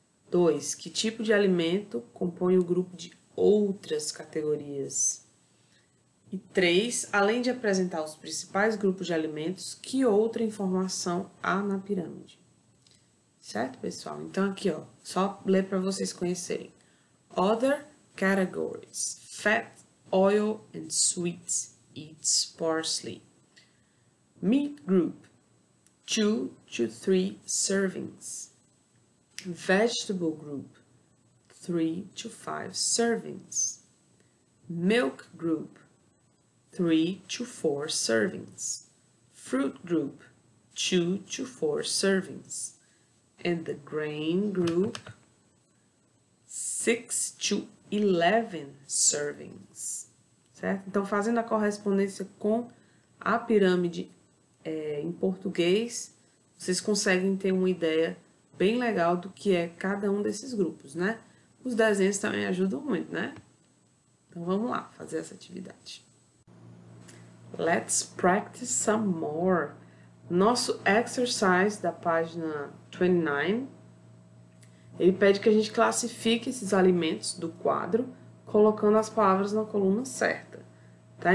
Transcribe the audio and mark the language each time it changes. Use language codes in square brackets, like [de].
[pt] Dois, que tipo de alimento compõe o grupo de outras categorias? E três, além de apresentar os principais grupos de alimentos, que outra informação há na pirâmide? Certo, pessoal? Então, aqui, ó, só ler para vocês conhecerem. [en] Other categories: fat, oil and sweets, eat sparsely. Meat group: 2 to 3 servings. Vegetable group: 3 to 5 servings. Milk group: 3 to 4 servings. Fruit group: 2 to 4 servings. And the grain group: 6 to 11 servings. [pt] Certo? Então, fazendo a correspondência com a pirâmide em português, vocês conseguem ter uma ideia bem legal do que é cada um desses grupos, né? Os desenhos também ajudam muito, né? Então, vamos lá fazer essa atividade. [en] Let's practice some more. [pt] Nosso exercise da página 29, ele pede que a gente classifique esses alimentos do quadro colocando as palavras na coluna certa. Tá?